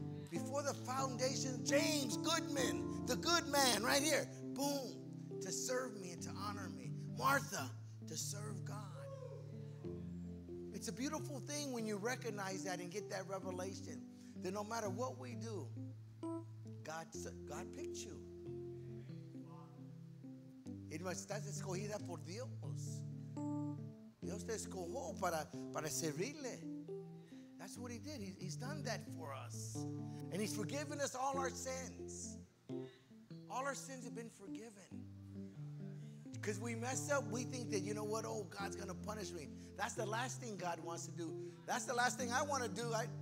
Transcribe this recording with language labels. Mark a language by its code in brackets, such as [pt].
[en] Before the foundation, James Goodman, the good man right here, boom, to serve me and to honor me. Martha, to serve God. It's a beautiful thing when you recognize that and get that revelation that no matter what we do, God picked you. [es] Estás escogida por Dios. Dios te escogió para servirle. [en] That's what he did. He's done that for us. And he's forgiven us all our sins. All our sins have been forgiven. Because we mess up, we think that, you know what, oh, God's going to punish me. That's the last thing God wants to do. That's the last thing I want to do.